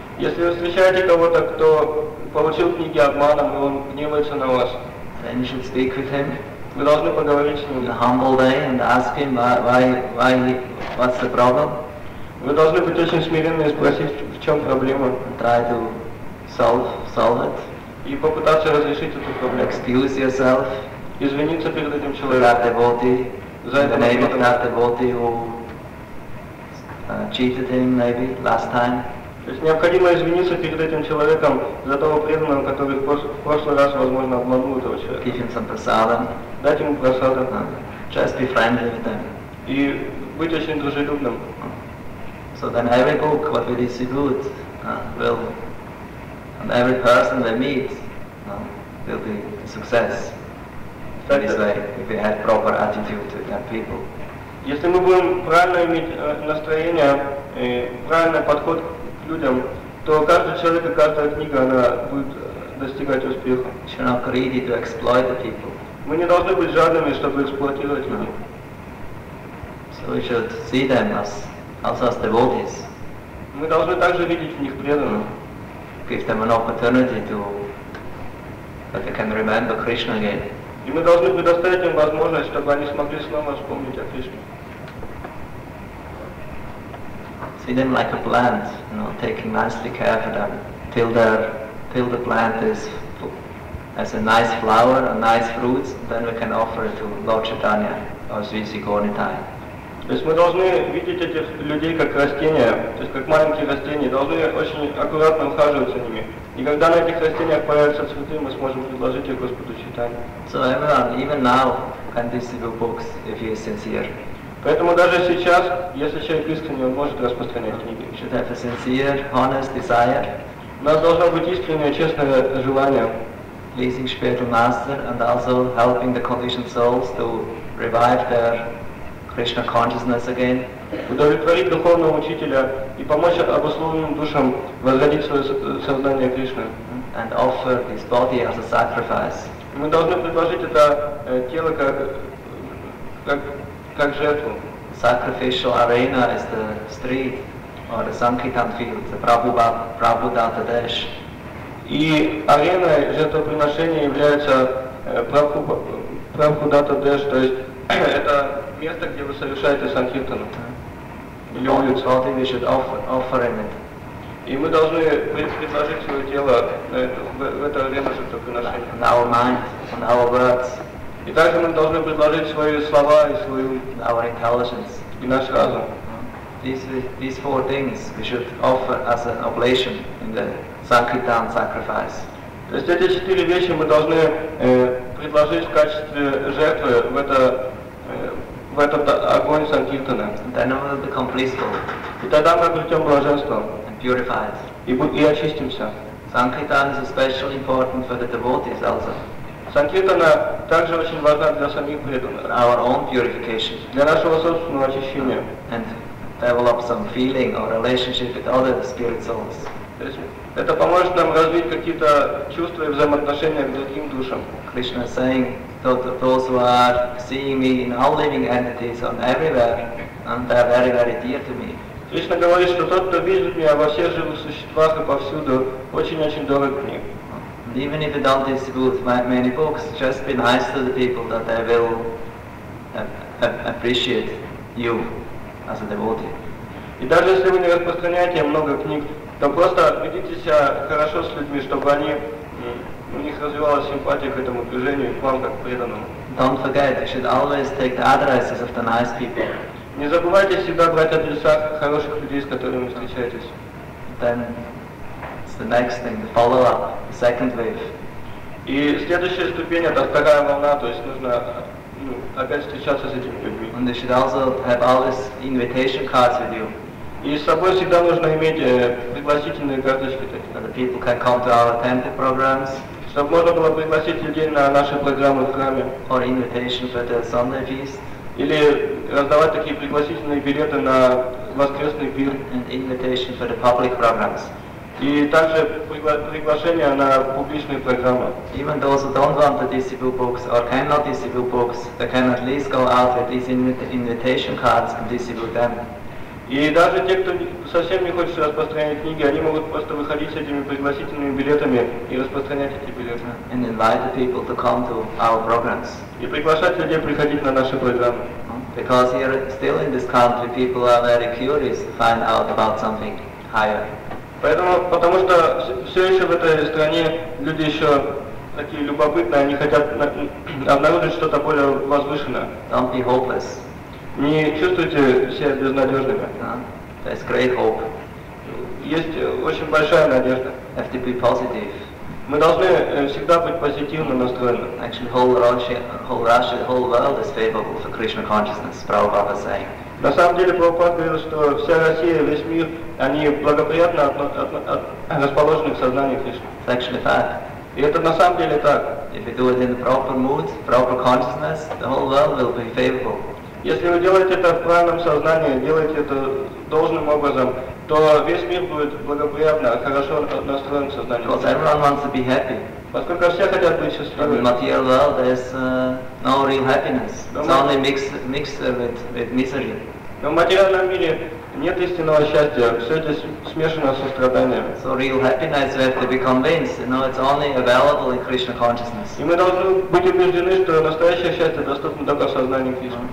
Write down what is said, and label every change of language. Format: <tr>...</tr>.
<ru>Если вы встречаете кого-то, кто получил книги обманом, и он гневается на вас.</ru> <en>Then you should speak with him.</en> <ru>Вы должны поговорить с ним.</ru> <en>In a humble way and ask him why what's the problem.</en> <ru>Вы должны быть очень смиренны и спросить, в чем проблема.</ru> <en>Try to solve it.</en> <ru>И попытаться разрешить эту проблему.</ru> <en>Excuse yourself.</en> <ru>Извиниться перед этим человеком.</ru> <en>That devotee,</en> <ru>за это</ru> <en>name of that devotee who cheated him maybe last time.</en> <ru>То есть необходимо извиниться перед этим человеком за того преданного, который в прошлый раз, возможно, обманул этого человека.</ru> <en>Give him some prasadam.</en> <ru>Дать ему prasadam.</ru> <en>Just be friendly with them.</en> <ru>И быть очень дружелюбным.</ru> <en>So then every book what we distribute will, and every person they meet will be a success. In this way, if we have proper attitude to that people.</en> <ru>Если мы будем правильно иметь настроение, правильный подход к людям, то каждый человек и каждая книга она будет достигать успеха.</ru> <en>We're not greedy to exploit the people.</en> <ru>Мы не должны быть жадными, чтобы эксплуатировать людей.</ru> <en>So we should see them as also as devotees.</en> <ru>Мы должны также видеть в них преданных.</ru> <en>Give them an opportunity to that they can remember Krishna again.</en> <ru>И мы должны предоставить им возможность, чтобы они смогли снова вспомнить о Кришне.</ru> <en>See them like a plant, taking nicely care for them till the plant is as a nice flower and nice fruits, then we can offer it to Lord Chaitanya or Sri Sigonitai.</en> <ru>То есть мы должны видеть этих людей как растения, то есть как маленькие растения, должны очень аккуратно ухаживать за ними. И когда на этих растениях появятся цветы, мы сможем предложить их Господу Чайтанье.</ru> <en>So everyone, even now, can distribute books if he is sincere.</en> <ru>Поэтому даже сейчас, если человек искренний, он может распространять книги.</ru> <en>Should have a sincere, honest desire.</en> <ru>У нас должно быть искреннее, честное желание.</ru> <en>Pleasing spiritual master and also helping the conditioned souls to revive their Krishna consciousness again.</en> <ru>Удовлетворить духовного учителя и помочь обусловленным душам возродить свое сознание Кришны.</ru> <en>And offer this body as a sacrifice.</en> <ru>Мы должны предложить это тело как жертву.</ru> <en>Sacrificial arena is the street or the Sankirtan field, the Prabhupada Desh.</en> <ru>И арена жертвоприношения является Prabhupada Desh, то есть это место, где вы совершаете санкхиртану. Или улица.</ru> <en>Body we should offer in it.</en> <ru>И мы должны предложить свое тело в это время жертвоприношения.</ru> <en>Our mind and our words.</en> <ru>И также мы должны предложить свои слова и свою</ru> <en>our intelligence.</en> <ru>И наш разум.</ru> <en>These four things we should offer as an oblation in the sankirtan sacrifice.</en> <ru>То есть эти четыре вещи мы должны предложить в качестве жертвы в это в этот огонь санкхиртана.</ru> <en>Then we will become blissful.</en> <ru>И тогда мы обретем блаженство.</ru> <en>And purified.</en> <ru>И очистимся.</ru> <en>Sankirtana is especially important for the devotees also.</en> <ru>Санкхиртана также очень важна для самих преданных.</ru> <en>Our own purification.</en> <ru>Для нашего собственного очищения.</ru> <en>And develop some feeling or relationship with other spirit souls.</en> <ru>Это поможет нам развить какие-то чувства и взаимоотношения к другим душам.</ru> <en>Krishna is saying that those who are seeing me in all living entities on everywhere, and they are very, very dear to me.</en> <ru>Кришна говорит, что тот, кто видит меня во всех живых существах и повсюду, очень-очень дорог мне.</ru> <en>Even if you don't distribute many books, just be nice to the people that they will appreciate you as a devotee.</en> <ru>И даже если вы не распространяете много книг, то просто ведите себя хорошо с людьми, чтобы они, у них развивалась симпатия к этому движению, к вам как преданному.</ru> <en>Don't forget, you should always take the addresses of the nice people.</en> <ru>Не забывайте всегда брать адреса хороших людей, с которыми встречаетесь.</ru> <en>Then it's the next thing, the follow-up, the second wave.</en> <ru>И следующая ступень — это вторая волна, то есть нужно опять встречаться с этими людьми.</ru> <en>And they should also have always invitation cards with you.</en> <ru>И с собой всегда нужно иметь пригласительные карточки.</ru> <en>So the people can come to our attentive programs.</en> <ru>Чтобы можно было пригласить людей на наши программы в храме.</ru> <en>Or invitation for the Sunday feast.</en> <ru>Или раздавать такие пригласительные билеты на воскресный пир.</ru> <en>And invitation for the public programs.</en> <ru>И также приглашение на публичные программы.</ru> <en>Even those who don't want to distribute books or cannot distribute books, they can at least go out with these invitation cards and distribute them.</en> <ru>И даже те, кто совсем не хочет распространять книги, они могут просто выходить с этими пригласительными билетами и распространять эти билеты.</ru> <en>And invite the people to come to our programs.</en> <ru>И приглашать людей приходить на наши программы.</ru> <en>Because here, still in this country, people are very curious to find out about something higher.</en> <ru>Поэтому, потому что все еще в этой стране люди еще такие любопытные, они хотят обнаружить что-то более возвышенное.</ru> <en>Don't be hopeless.</en> <ru>Не чувствуйте себя безнадежными.</ru> <en>There's great hope.</en> <ru>Есть очень большая надежда.</ru> <en>Have to be positive.</en> <ru>Мы должны всегда быть позитивно настроены.</ru> <en>Actually, whole Russia, whole world is favorable for Krishna consciousness, Prabhupada is saying.</en> <ru>На самом деле, Прабхупад говорил, что вся Россия, весь мир, они благоприятно расположены к сознанию Кришны.</ru> <en>It's actually fact.</en> <ru>И это на самом деле так.</ru> <en>If you do it in the proper mood, proper consciousness, the whole world will be favorable.</en> <ru>Если вы делаете это в правильном сознании, делаете это должным образом, то весь мир будет благоприятно, хорошо настроен в сознании.</ru> <en>Because everyone wants to be happy.</en> <ru>Поскольку все хотят быть счастливыми.</ru> <en>In the material world there is no real happiness. It's only mixed with misery.</en> <ru>Но в материальном мире нет истинного счастья, все это смешано со страданием.</ru> <en>So real happiness we have to be convinced, it's only available in Krishna consciousness.</en> <ru>И мы должны быть убеждены, что настоящее счастье доступно только в сознании Кришны.</ru>